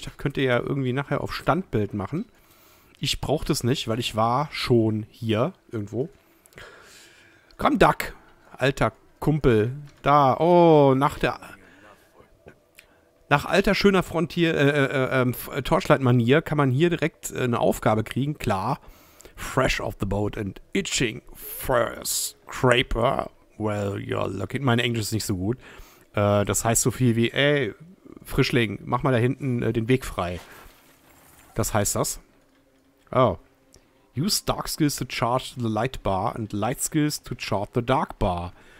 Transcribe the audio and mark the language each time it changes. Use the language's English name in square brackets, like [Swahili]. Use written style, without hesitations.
[German] Da könnt ihr ja irgendwie nachher auf Standbild machen. Ich brauch das nicht, weil ich war schon hier irgendwo. Komm, Duck. Alter Kumpel. Da. Oh, nach alter schöner Frontier, Torchlight-Manier kann man hier direkt eine Aufgabe kriegen. Klar. [English] Fresh off the boat and itching for a scraper. Well, you're looking. [German] Mein Englisch ist nicht so gut. Das heißt so viel wie, ey, Frischling, mach mal da hinten den Weg frei. Das heißt das. Oh. [English] Use dark skills to charge the light bar and light skills to charge the dark bar.